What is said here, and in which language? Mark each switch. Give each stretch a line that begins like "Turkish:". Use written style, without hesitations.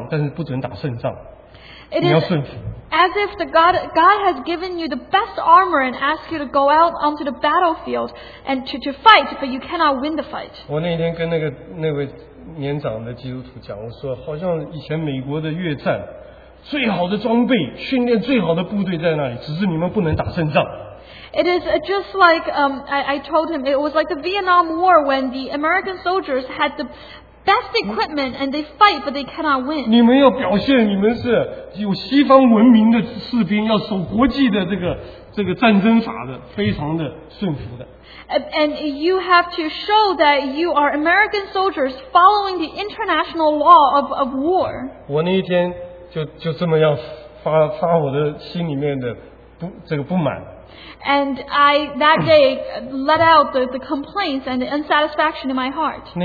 Chinese: 给我最好的装备，跟你讲说呢，你要出去打仗，但是不准打胜仗，你要顺服。
English: As if the God has given you the best armor and ask you to go out onto the battlefield and to fight, but you cannot win the fight.
Chinese: 我那天跟那个年长的基督徒讲，我说好像以前美国的越战，最好的装备，训练最好的部队在那里，只是你们不能打胜仗。
English: It is just like I told him, it was like the Vietnam War when the American soldiers had the best equipment and they fight but they cannot win.
Chinese: 你们要表现你们是有西方文明的士兵，要守国际的这个战争法的，非常的顺服的。
English: And you have to show that you are American soldiers following the international law of war.
Chinese: 我那一天就这么样发我的心里面的不满。
English: And I that day let out the complaints and the unsatisfaction in my heart.